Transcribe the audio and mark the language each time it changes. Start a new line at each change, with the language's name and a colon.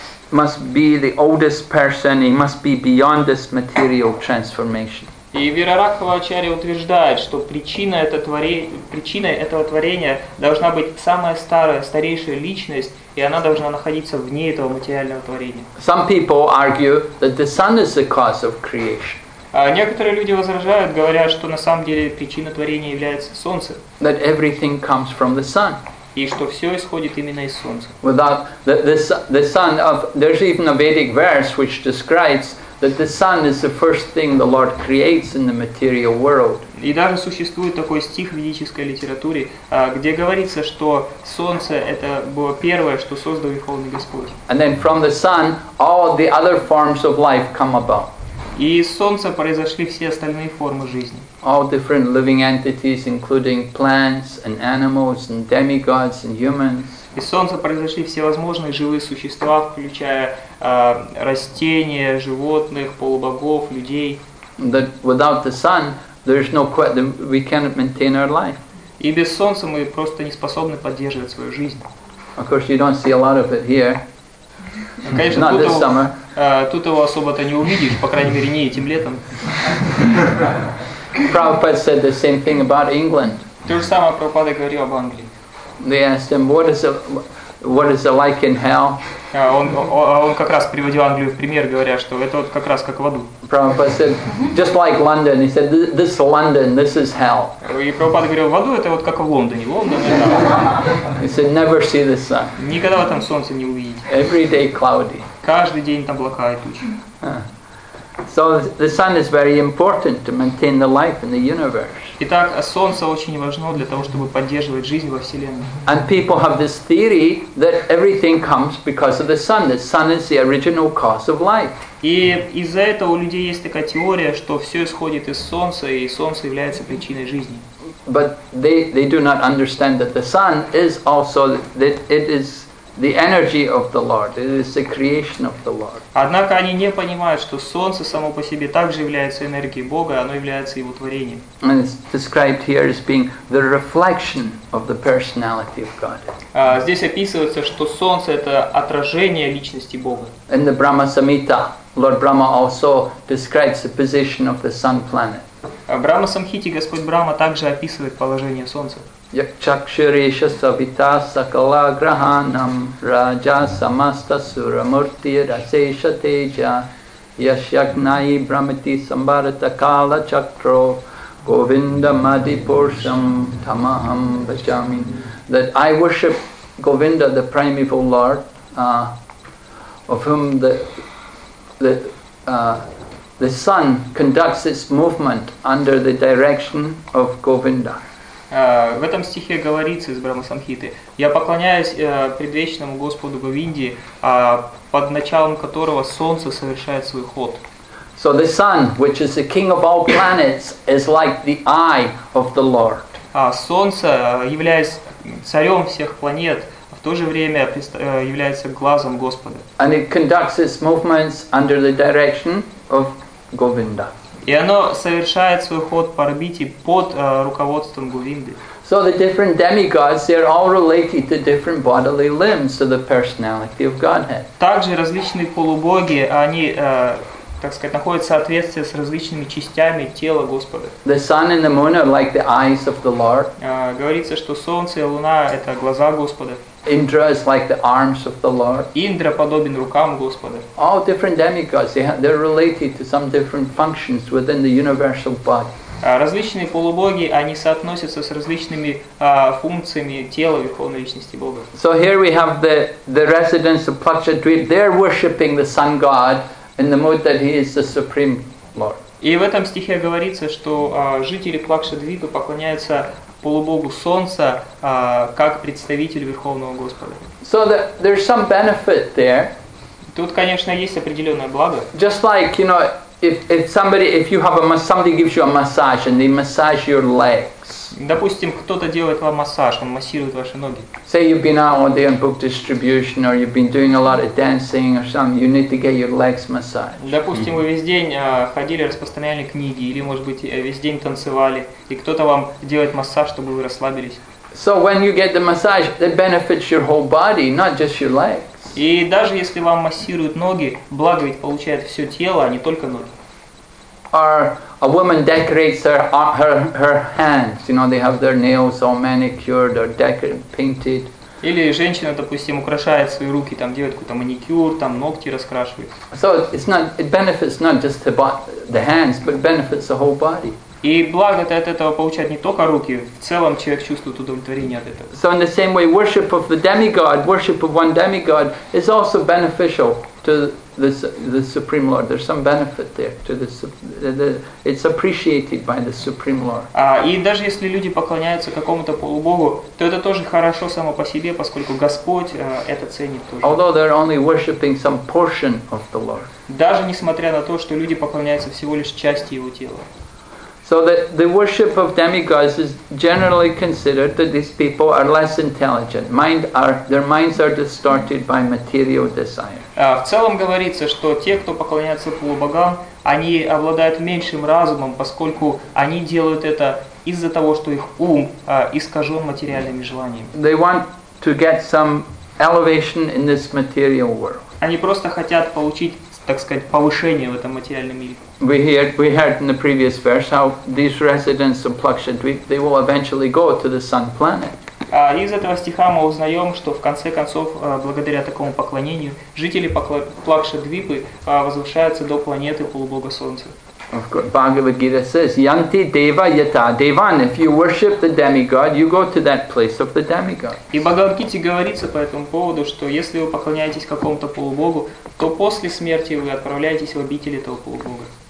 English: must be the oldest person, he must be beyond this material transformation.
Russian: И Вираракхава Ачарья утверждает, что причиной этого творения должна быть самая старая, старейшая личность, и она должна находиться вне этого материального творения.
English: Some people argue that the sun is the cause of creation.
Russian: А некоторые люди возражают, говоря, что на самом деле причина творения является солнце.
English: That everything comes from the sun.
Russian: И что все исходит именно из солнца.
English: Without the sun of, there's even a Vedic verse which describes that the sun is the first thing the Lord creates in the material world.
Russian: И даже существует такой стих в ведической литературе, где говорится, что солнце это было первое, что создал Верховный Господь.
English: And then from the sun, all the other forms of life come about.
Russian: И из солнца произошли все остальные формы жизни.
English: All different living entities, including plants and animals and demigods and humans.
Russian: Из солнца произошли всевозможные живые существа, включая растения, животных, полубогов, людей.
English: That without the sun, there is no question we cannot maintain our life.
Russian: И без солнца мы просто не способны поддерживать свою жизнь.
English: Of course, you don't see a lot of it here.
Russian: Конечно,
English: not this summer.
Russian: Тут его особо-то не увидишь, по крайней мере, не этим летом.
English: Prabhupada said the same thing about England.
Russian: То же самое Прабхупада говорил об Англии.
English: They asked him, what is it like in hell?
Russian: Он как раз приводил Англию в пример, говоря, что это вот как раз как в аду.
English: Prabhupada said, just like London, he said, this London, this is hell.
Russian: И Прабхупада говорил, в аду это вот как в Лондоне, Лондон это
English: He said, never see the sun.
Russian: Никогда вы там солнце не увидите.
English: Every day cloudy.
Russian: Каждый день там облака и тучи.
English: So the sun is very important to maintain the life in the universe.
Russian: Итак, солнце очень важно для того, чтобы поддерживать жизнь во вселенной.
English: And people have this theory that everything comes because of the sun. The sun is the original cause of life.
Russian: И из-за этого у людей есть такая теория, что все исходит из солнца, и солнце является причиной жизни.
English: But they do not understand that the sun is also that it is the energy of the Lord. It is the creation of the Lord.
Russian: Однако они не понимают, что солнце само по себе также является энергией Бога, оно является его творением.
English: And it's described here as being the reflection of the personality of God.
Russian: Здесь описывается, что солнце это отражение личности Бога.
English: In the Brahma Samhita, Lord Brahma also describes the position of the sun planet.
Russian: В Брахма Самхите Господь Брахма также описывает положение солнца.
Sanskrit: Якчакшириша савита сакала граханам раджа самаста сурамурти расейша тежа яшьякнаи брамати самбарата кала чакро говинда мади пуршам тамахам бачами.
English: That I worship Govinda, the primeval Lord, of whom the sun conducts its movement under the direction of Govinda.
Russian: В этом стихе говорится из Брахма Самхиты. Я поклоняюсь предвечному Господу Говинде, под началом которого солнце совершает свой ход.
English: So the sun, which is the king of all planets, is like the eye of the Lord.
Russian: Солнце, являясь царем всех планет, в то же время является глазом Господа.
English: And it conducts its movements under the direction of Govinda.
Russian: И оно совершает свой ход по орбите под руководством Говинды.
English: So the different demigods, they're all related to different bodily limbs of the personality of Godhead.
Russian: Также различные полубоги, они, так сказать, находят соответствие с различными частями тела Господа.
English: The sun and the moon are like the eyes of the Lord.
Russian: Говорится, что солнце и луна это глаза Господа.
English: Indra is like the arms of the Lord.
Russian: Индра подобен рукам Господа.
English: All different demigods, they're related to some different functions within the universal body.
Russian: Различные полубоги, они соотносятся с различными функциями тела Верховной Личности Бога.
English: So here we have the residents of Plakshadweep, they're worshipping the sun god in the mood that he is the supreme Lord.
Russian: И в этом стихе говорится, что жители Плакшадвипы поклоняются полубогу солнца как представитель Верховного Господа.
English: So there's some benefit there.
Russian: Тут, конечно, есть определенное благо.
English: Just like, you know, if somebody gives you a massage and they massage your legs.
Russian: Допустим, кто-то делает вам массаж, он массирует ваши ноги.
English: Say you've been out all day on book distribution, or you've been doing a lot of dancing, or something. You need to get your legs massaged.
Russian: Допустим, вы весь день ходили, распространяли книги, или, может быть, весь день танцевали, и кто-то вам делает массаж, чтобы вы расслабились.
English: So when you get the massage, it benefits your whole body, not just your legs.
Russian: И даже если вам массируют ноги, благо ведь получает все тело, а не только ноги.
English: Or a woman decorates her hands. You know, they have their nails all manicured or painted.
Russian: Или женщина, допустим, украшает свои руки, там делает какой-то маникюр, там ногти раскрашивает.
English: So it benefits not just the hands, but benefits the whole body.
Russian: И благо от этого получает не только руки, в целом человек чувствует удовлетворение от этого.
English: So in the same way, worship of the demigod, worship of one demigod, is also beneficial to the Supreme Lord. There's some benefit there to the it's appreciated by the Supreme Lord.
Russian: И даже если люди поклоняются какому-то полубогу, то это тоже хорошо само по себе, поскольку Господь это ценит тоже.
English: Although they're only worshiping some portion of the Lord.
Russian: Даже несмотря на то, что люди поклоняются всего лишь части его тела.
English: So the worship of demigods is generally considered that these people are less intelligent. Their minds are distorted by material desire.
Russian: В целом говорится, что те, кто поклоняется полубогам, они обладают меньшим разумом, поскольку они делают это из-за того, что их ум искажен материальными желаниями.
English: They want to get some elevation in this material world.
Russian: Они просто хотят получить, так сказать, повышение в этом материальном мире.
English: We heard in the previous verse how these residents of Plakshadweep, they will eventually go to the sun planet.
Russian: Из этого стиха мы узнаем, что в конце концов, благодаря такому поклонению, жители Плакшадвипы возвышаются до планеты полубога Солнца.
English: Of course, Bhagavad Gita says,
Sanskrit: Yanti Deva Yata Devan.
English: If you worship the demigod, you go to that place of the demigod.
Russian: И Бхагавад Гите говорится по этому поводу, что если вы поклоняетесь какому-то полубогу, то после смерти вы отправляетесь в обитель этого полубога.